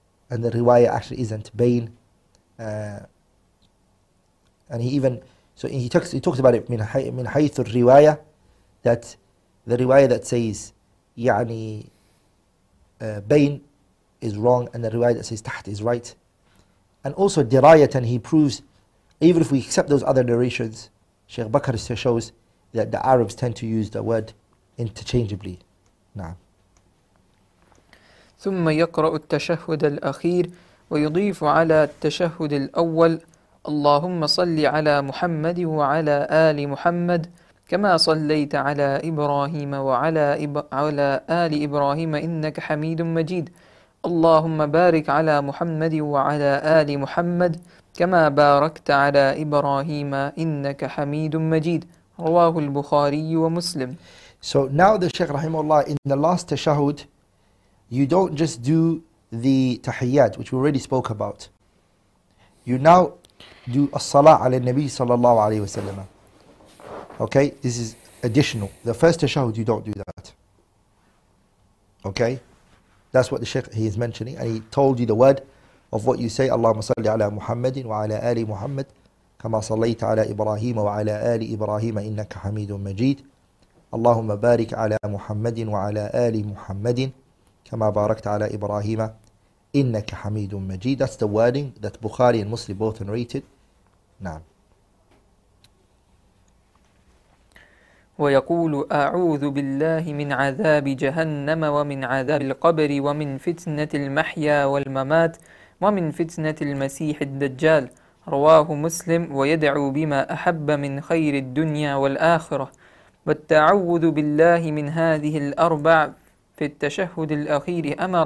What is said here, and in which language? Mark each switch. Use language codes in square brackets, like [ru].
[en] and the riwayah actually isn't bayn. And he even, so he talks about it [ar] min haythu riwayah, [en] that the riwayah that says yani bayn is wrong, and the riwayah that says taht is right. And also dirayatan, he proves, even if we accept those other narrations, Sheikh Bakr shows that the Arabs tend to use the word interchangeably. [ar] Na'am. ثم يقرأ التشهد الأخير ويضيف على التشهد الأول اللهم صل على محمد وعلى آل محمد كما صليت على إبراهيم وعلى على آل إبراهيم إنك حميد مجيد اللهم بارك على محمد وعلى آل محمد كما باركت على إبراهيم إنك حميد مجيد رواه البخاري ومسلم. [en] So now the Sheikh Rahimullah, in the last tashahud, you don't just do the tahiyyat, which we already spoke about. You now do [ar] as-salah ala nabi sallallahu alayhi wa sallam. [en] Okay, this is additional. The first tashahud, you don't do that. Okay, that's what the Sheikh, he is mentioning. And he told you the word of what you say, [ar] Allahumma salli ala Muhammadin wa ala ali Muhammad, kama sallayta ala Ibrahim wa ala ali Ibrahim innaka hamidun majid. اللهم بارك على محمد وعلى آل محمد كما باركت على إبراهيم إنك حميد مجيد. [en] That's the wording that Bukhari and Muslim both narrated. [ar] نعم. ويقول أعوذ بالله من عذاب جهنم ومن عذاب القبر ومن فتنة المحيا والممات ومن فتنة المسيح الدجال رواه مسلم ويدعو بما أحب من خير الدنيا والآخرة والتعوذ بالله من هذه الأربع في التشهد الأخير